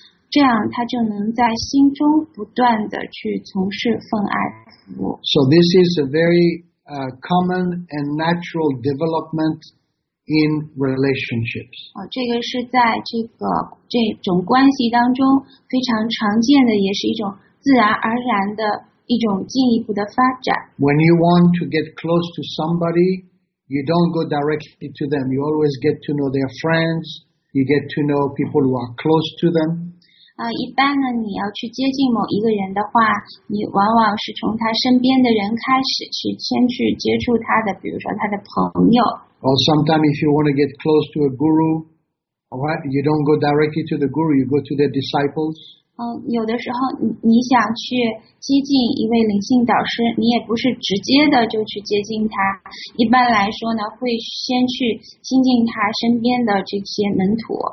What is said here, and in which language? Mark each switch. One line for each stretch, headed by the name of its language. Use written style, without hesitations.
Chinese: 这样他就能在心中不断地去从事奉爱服务。
English: So this is a very common and natural development in relationships.
Chinese: 这个是在这种关系当中非常常见的，也是一种自然而然的一种进一步的发展。
English: When you want to get close to somebody, you don't go directly to them. You always get to know their friends. You get to know people who are close to them.
Chinese: 一般呢，你要去接近某一个人的话，你往往是从他身边的人开始去，先去接触他的，比如说他的朋友。
English: Or sometimes if you want to get close to a guru, alright, you don't go directly to the guru, you go to the disciples.
Chinese: 有的时候你想去接近一位灵性导师，你也不是直接的就去接近他。一般来说呢，会先去亲近他身边的这些门徒。